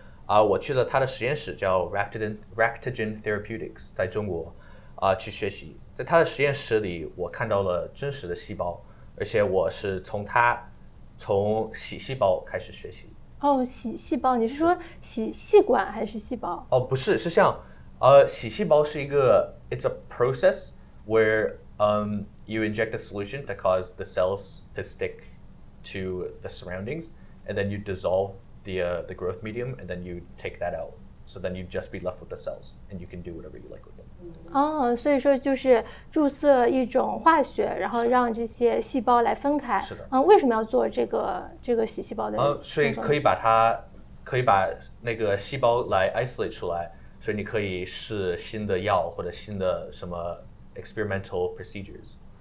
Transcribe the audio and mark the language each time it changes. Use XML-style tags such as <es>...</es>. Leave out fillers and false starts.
<zh>我去了他的实验室叫 Rectogen Therapeutics， 在中国去学习。在他的实验室里，我看到了真实的细胞，而且我是从洗细胞开始学习。洗细胞，你是说洗细管还是细胞？不是，是像洗细胞是一个</zh> <en>it's a process where you inject a solution that causes the cells to stick to the surroundings and then you dissolve the growth medium and then you take that out so then you just be left with the cells and you can do whatever you like with them。</en> <zh>所以说就是注射一种化学，然后让这些细胞来分开。是的。为什么要做这个洗细胞的？所以可以把那个细胞来 isolate 出来，所以你可以试新的药或者新的什么 experimental procedures。</zh>